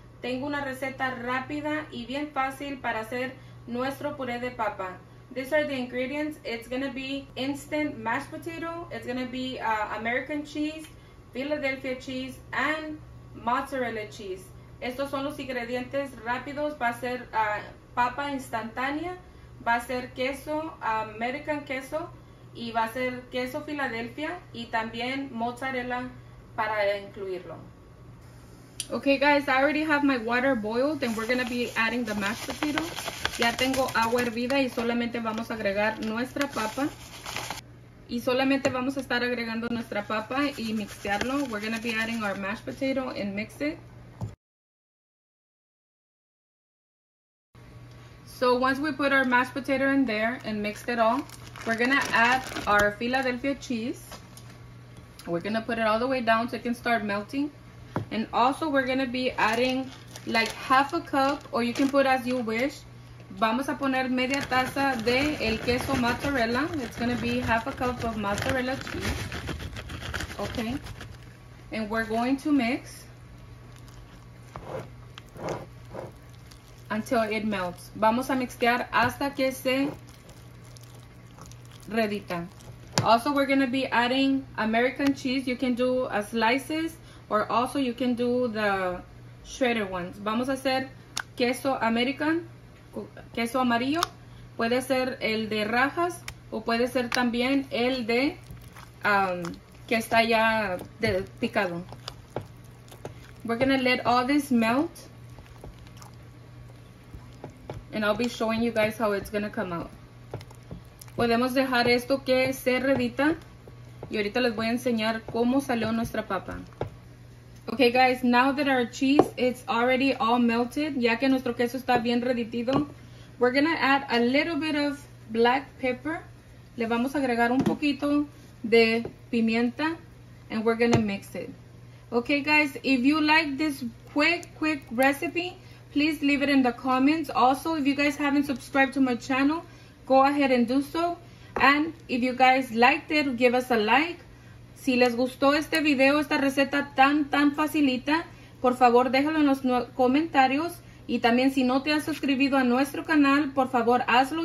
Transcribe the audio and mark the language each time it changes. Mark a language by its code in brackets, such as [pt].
[es] Tengo una receta rápida y bien fácil para hacer nuestro puré de papa. [en] These are the ingredients. It's going to be instant mashed potato. It's going to be American cheese, Philadelphia cheese, and mozzarella cheese. [es] Estos son los ingredientes rápidos. Va a ser papa instantánea. Va a ser queso, American queso, y va a ser queso Philadelphia, y también mozzarella para incluirlo. [en] Okay guys, I already have my water boiled, and we're going to be adding the mashed potato. [es] Ya tengo agua hervida, y solamente vamos a agregar nuestra papa. Y solamente vamos a estar agregando nuestra papa y mixearlo. [en] We're going to be adding our mashed potato and mix it. So once we put our mashed potato in there and mixed it all, we're gonna add our Philadelphia cheese. We're gonna put it all the way down so it can start melting. And also we're gonna be adding like half a cup, or you can put as you wish. [es] Vamos a poner media taza de el queso mozzarella. [en] It's gonna be half a cup of mozzarella cheese. Okay. And we're going to mix until it melts. [es] Vamos a mixtear hasta que se redita. [en] Also, we're going to be adding American cheese. You can do slices, or also you can do the shredded ones. [es] Vamos a hacer queso American, queso amarillo. Puede ser el de rajas, o puede ser también el de que está ya picado. [en] We're going to let all this melt, and I'll be showing you guys how it's gonna come out. [es] Podemos dejar esto que se redita, y ahorita les voy a enseñar cómo salió nuestra papa. [en] Okay guys, now that our cheese is already all melted, [es] ya que nuestro queso está bien reditido, [en] we're gonna add a little bit of black pepper. [es] Le vamos a agregar un poquito de pimienta, [en] and we're gonna mix it. Okay guys, if you like this quick recipe, please leave it in the comments. Also, if you guys haven't subscribed to my channel, go ahead and do so. And if you guys liked it, give us a like. [es] Si les gustó este video, esta receta tan facilita, por favor déjalo en los comentarios. Y también si no te has suscribido a nuestro canal, por favor hazlo.